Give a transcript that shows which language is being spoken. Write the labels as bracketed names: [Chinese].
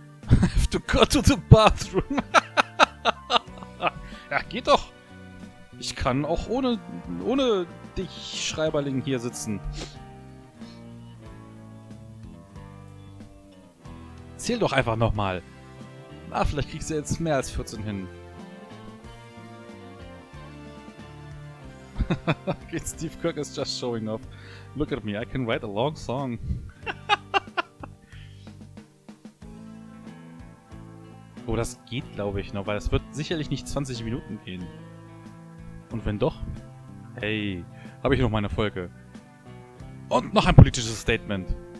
[English] I have to go to the bathroom. [German] Ja, geht doch. Ich kann auch ohne dich, Schreiberling, hier sitzen. Zähl doch einfach nochmal. Na, vielleicht kriegst du jetzt mehr als 14 hin. [English] Okay, Steve Kirk is just showing up. Look at me, I can write a long song. [German] Oh, das geht, glaube ich, noch, weil es wird sicherlich nicht 20 Minuten gehen. Und wenn doch, hey, habe ich noch meine Folge. Und noch ein politisches Statement.